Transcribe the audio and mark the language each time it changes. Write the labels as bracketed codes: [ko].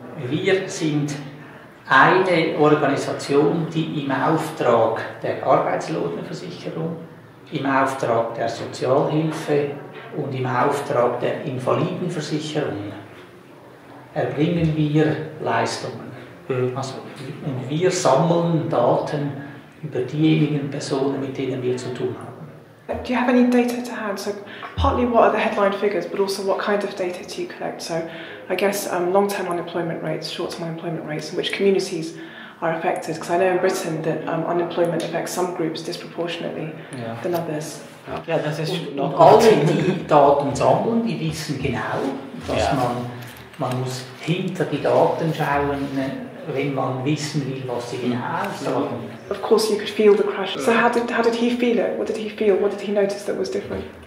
[de] Wir sind eine Organisation, die im Auftrag der Arbeitslosenversicherung, im Auftrag der Sozialhilfe und im Auftrag der Invalidenversicherung erbringen wir Leistungen. Also, und wir sammeln Daten über diejenigen Personen, mit denen wir zu tun haben. [en] Do you have any data to hand? So partly what are the headline figures, but also what kind of data do you collect? So I guess long-term unemployment rates, short-term unemployment rates, and which communities are affected? Because I know in Britain that unemployment affects some groups disproportionately than others. Yeah, that is not good. [de] Alle, die Daten sammeln, die wissen genau, dass man muss hinter die Daten schauen, wenn man wissen will, was sie genau sagen. [en] Of course, you could feel the crash. So how did he feel it? What did he feel? What did he notice that was different?